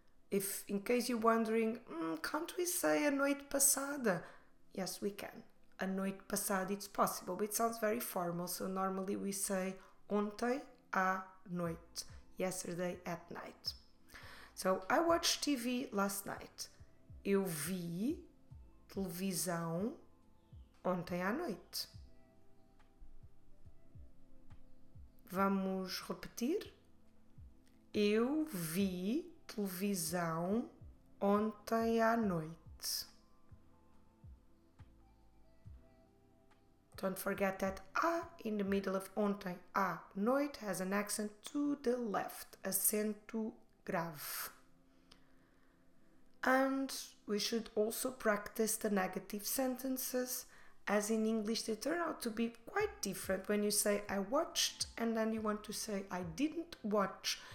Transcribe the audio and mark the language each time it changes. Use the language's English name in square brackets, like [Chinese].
[English] If, in case you're wondering, can't we say [Portuguese] a noite passada? [English] Yes, we can. [Portuguese] A noite passada, [English] it's possible, but it sounds very formal. So normally we say [Portuguese] ontem à noite, [English] yesterday at night. So, I watched TV last night. [Portuguese] Eu vi televisão ontem à noite. Vamos repetir? Eu vi televisão ontem à noite. [English] Don't forget that "ah" in the middle of ontem, "à" noite, has an accent to the left, [Portuguese] acento grave. [English] And we should also practice the negative sentences, as in English they turn out to be quite different when you say "I watched" and then you want to say "I didn't watch."